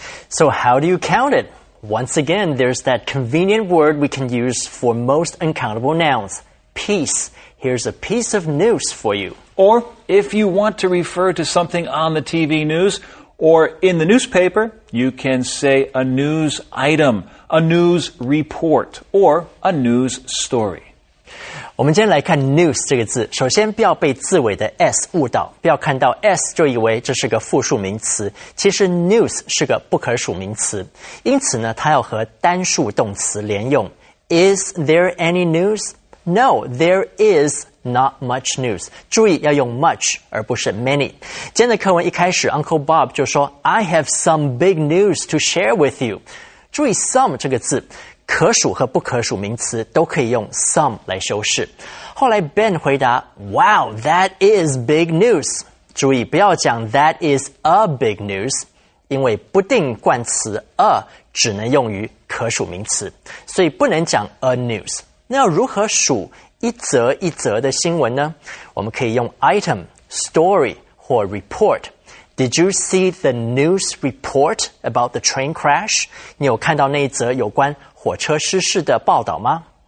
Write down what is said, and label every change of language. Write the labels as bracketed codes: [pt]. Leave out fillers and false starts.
[en] So how do you count it? Once again, there's that convenient word we can use for most uncountable nouns, piece. Here's a piece of news for you. Or if you want to refer to something on the TV news or in the newspaper, you can say a news item, a news report, or a news story. [zh] 我们今天来看 news 这个字，首先不要被字尾的 s 误导，不要看到 s 就以为这是个复数名词，其实 news 是个不可数名词，因此呢，它要和单数动词连用。 [en] Is there any news? No, there is not much news. [zh] 注意要用 much 而不是 many. 今天的课文一开始 Uncle Bob 就说 [en] I have some big news to share with you. [zh] 注意 some 这个字，可数和不可数名词都可以用 some 来修饰。后来 Ben 回答 [en] Wow, that is big news. [zh] 注意不要讲 [en] that is a big news, [zh] 因为不定冠词 a 只能用于可数名词，所以不能讲 a news。那要如何数一则一则的新闻呢？我们可以用 item, story 或 report。 [en] Did you see the news report about the train crash? [zh] 你有看到那一则有关火车失事的报道吗？